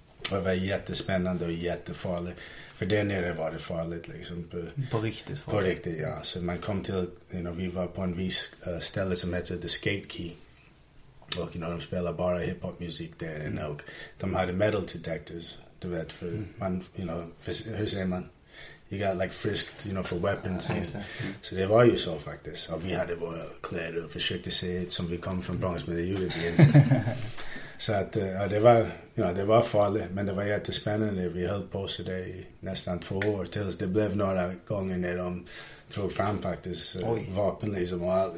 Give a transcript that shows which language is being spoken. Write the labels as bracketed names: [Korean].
[Swedish] Och det var jättespännande och jättefarligt. För där nere var det farligt liksom. På riktigt farligt. På riktigt, ja. Så man kom till, [English] you know, [Swedish] vi var på en viss ställe som heter The Skate Key. Och [English] you know, [Swedish] de spelade bara hiphop musik där. Och de hade metal detectors, du vet, för man, you know, hur säger man? [English] You got like frisked, you know, for weapons. [Swedish] Ah, så det var ju så faktiskt. Och vi hade våra kläder och försökte se som vi kom från Bronx, men det gjorde vi inte. Så att, det var, [English] you know, [Swedish] det var farligt, men det var jättespännande. Vi höll på så det i nästan 2 år, tills det blev några gånger när de drog fram faktiskt vapen liksom, och allt.